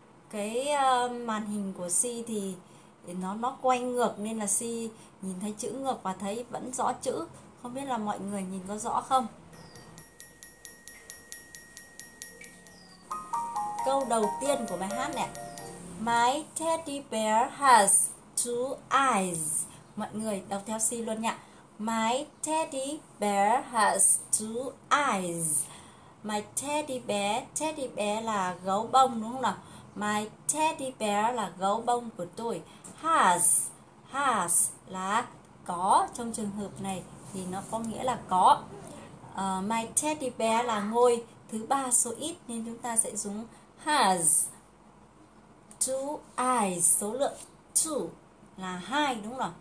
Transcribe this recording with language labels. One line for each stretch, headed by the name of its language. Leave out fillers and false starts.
Vietnamese: Cái màn hình của Si thì nó quay ngược nên là Si nhìn thấy chữ ngược và thấy vẫn rõ chữ. Không biết là mọi người nhìn có rõ không? Câu đầu tiên của bài hát này:
English: My teddy bear has two eyes.
Vietnamese: Mọi người đọc theo Si luôn nhé.
English: My teddy bear has two eyes. My teddy bear
Vietnamese: là gấu bông đúng không nào?
English: My teddy bear
Vietnamese: là gấu bông của tôi.
English: Has
Vietnamese: là có, trong trường hợp này thì nó có nghĩa là có.
English: My teddy bear
Vietnamese: là ngôi thứ ba số ít nên chúng ta sẽ dùng
English: has two eyes,
Vietnamese: số lượng two là hai đúng không?